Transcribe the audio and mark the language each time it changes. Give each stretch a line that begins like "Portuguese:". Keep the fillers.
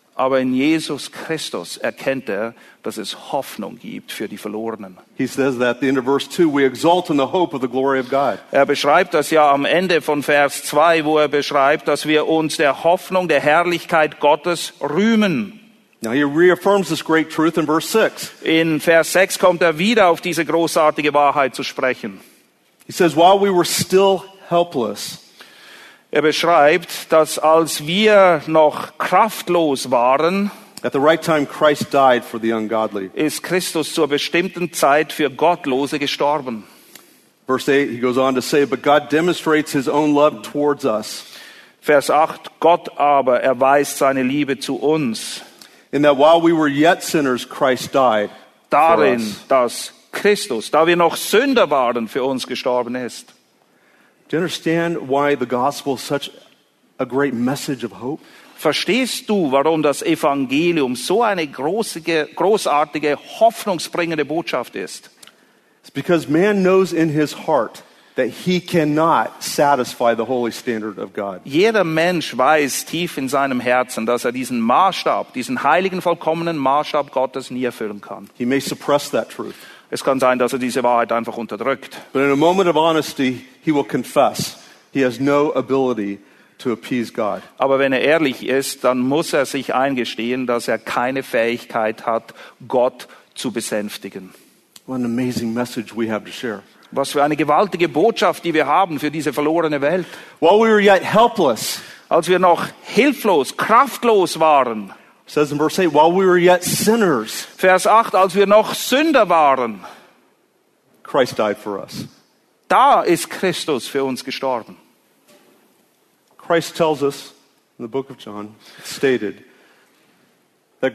German: Aber in Jesus Christus erkennt er, dass es Hoffnung gibt für die Verlorenen.
English: He says that at the end of verse 2, we exalt in the hope of the glory of God.
German: Er beschreibt das ja am Ende von Vers 2, wo er beschreibt, dass wir uns der Hoffnung der Herrlichkeit Gottes rühmen.
English: Now he reaffirms this great truth in verse 6.
German: In verse 6 kommt er wieder auf diese großartige Wahrheit zu sprechen.
English: He says, while we were still helpless,
German: Er beschreibt, dass als wir noch kraftlos waren, right Christ ist Christus zur bestimmten Zeit für Gottlose gestorben.
English: Verse 8, he goes on to say, but God demonstrates his own love towards us.
German: Vers 8, Gott aber erweist seine Liebe zu uns.
English: In that while we were yet sinners, Christ died Darin, for us.
German: dass Christus, da wir noch Sünder waren, für uns gestorben ist.
English: Do you understand why the gospel is such a great message of hope?
German: Verstehst du, warum das Evangelium so eine großige, großartige, hoffnungsbringende Botschaft ist?
English: It's because man knows in his heart that he cannot satisfy the holy standard of God.
German: Jeder Mensch weiß tief in seinem Herzen, dass er diesen Maßstab, diesen heiligen vollkommenen Maßstab Gottes nie erfüllen kann.
English: He may suppress that truth.
German: Es kann sein, dass er diese Wahrheit einfach unterdrückt. Aber wenn er ehrlich ist, dann muss er sich eingestehen, dass er keine Fähigkeit hat, Gott zu besänftigen. Was für eine gewaltige Botschaft, die wir haben für diese verlorene Welt. als wir noch hilflos, kraftlos waren,
English: says in verse 8 while we were yet sinners
German: vers 8 als wir noch sünder waren
English: christ died for us
German: da ist christus für uns gestorben
English: christ tells us in the book of john stated that